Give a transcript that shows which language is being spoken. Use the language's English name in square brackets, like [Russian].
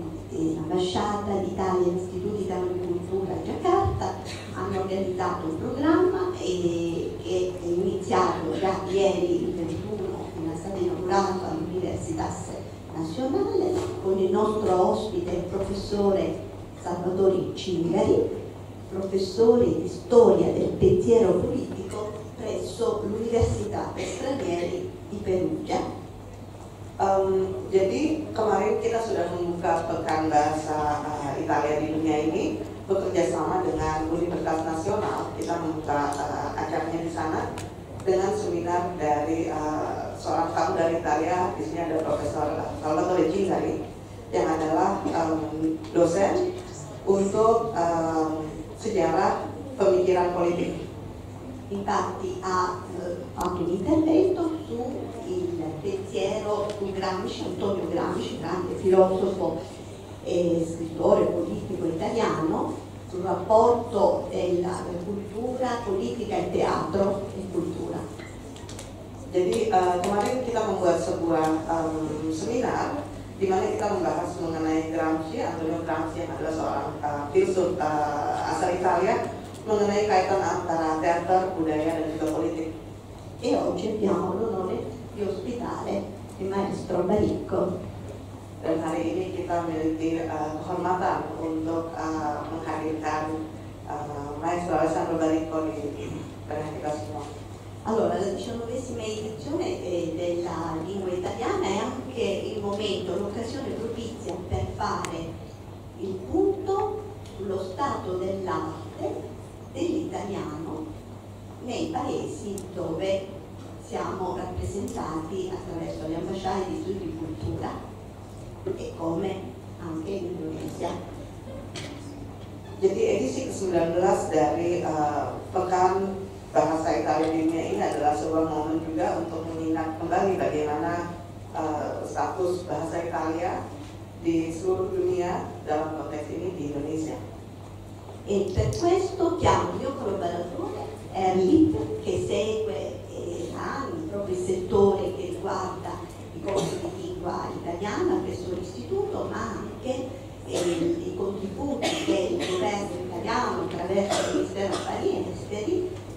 [Italian] L'Ambasciata d'Italia, l'Istituto di Italia di Cultura di Jakarta hanno organizzato un programma che è iniziato da ieri, il 21, è stato inaugurato all'Università Nazionale con il nostro ospite, il professore Salvatore Cingari, professore di storia del pensiero politico presso l'Università per Stranieri di Perugia. [Indonesian] Jadi kemarin kita sudah membuka pekan bahasa Italia di dunia ini bekerja sama dengan Universitas Nasional. Kita membuka acaranya di sana dengan seminar dari seorang tamu dari Italia, di sini ada Profesor Salvatore Cingari yang adalah dosen untuk sejarah pemikiran politik. [Italian] Infatti ha fatto un intervento su il pensiero di Gramsci, Antonio Gramsci, grande filosofo e scrittore politico italiano, sul rapporto della cultura, politica e teatro e cultura. [Indonesian] Jadi kemarin kita membuat sebuah seminar di mana kita membahas mengenai Gramsci, Antonio Gramsci yang adalah seorang filsuf asal Italia, mengenai kaitan antara teater, budaya, dan juga politik. [Italian] E oggi abbiamo l'onore di ospitare il maestro Baricco. [Indonesian] Dan hari ini kita memiliki kehormatan untuk menghadirkan maestro Alessandro Baricco di tengah kita semua. [Italian] Allora, la 19ª edizione della lingua italiana è anche il momento, l'occasione propizia per fare il punto sullo stato dell'arte dell'italiano nei paesi dove siamo rappresentati attraverso le ambasciate di studi di cultura e come anche in Indonesia. [Indonesian] Jadi edisi ke-19 dari pekan bahasa Italia di dunia ini adalah sebuah momen juga untuk mengingat kembali bagaimana status bahasa Italia di seluruh dunia dalam konteks ini di Indonesia. [Italian] E per questo chiamo il mio collaboratore Erlich, che segue il proprio settore che riguarda i corsi di lingua italiana presso l'istituto, ma anche i contributi che il governo italiano attraverso il Ministero Affari Esteri